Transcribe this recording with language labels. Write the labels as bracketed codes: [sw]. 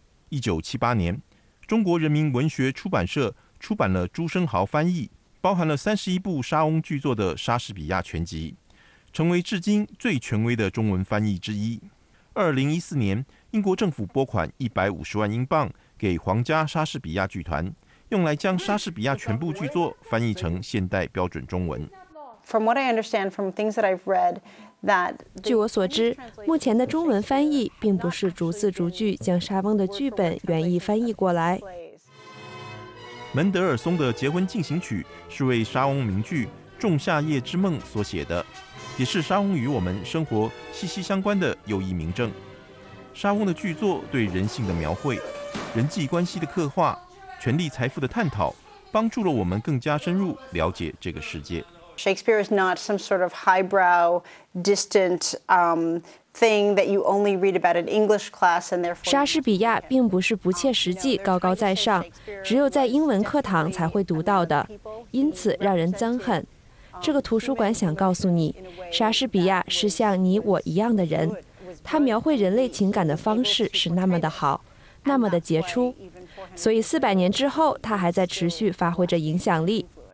[zh] 1978年，中国人民文学出版社出版了朱生豪翻译，包含了31部莎翁剧作的莎士比亚全集，成为至今最权威的中文翻译之一。 2014年，英国政府拨款150万英镑给皇家莎士比亚剧团，用来将莎士比亚全部剧作翻译成现代标准中文。 [en] From what I understand, from things that I've read, that [zh] 据我所知，目前的中文翻译并不是逐字逐句将莎翁的剧本原意翻译过来。门德尔松的《结婚进行曲》是为莎翁名剧《仲夏夜之梦》所写的，也是莎翁与我们生活息息相关的又一名证。莎翁的剧作对人性的描绘、人际关系的刻画、权力财富的探讨，帮助了我们更加深入了解这个世界。 [en] Shakespeare is not some sort of highbrow, distant thing that you only read about in English class, and therefore. [zh] 莎士比亚并不是不切实际、高高在上，只有在英文课堂才会读到的，因此让人憎恨。这个图书馆想告诉你，莎士比亚是像你我一样的人。他描绘人类情感的方式是那么的好，那么的杰出，所以400年之后，他还在持续发挥着影响力。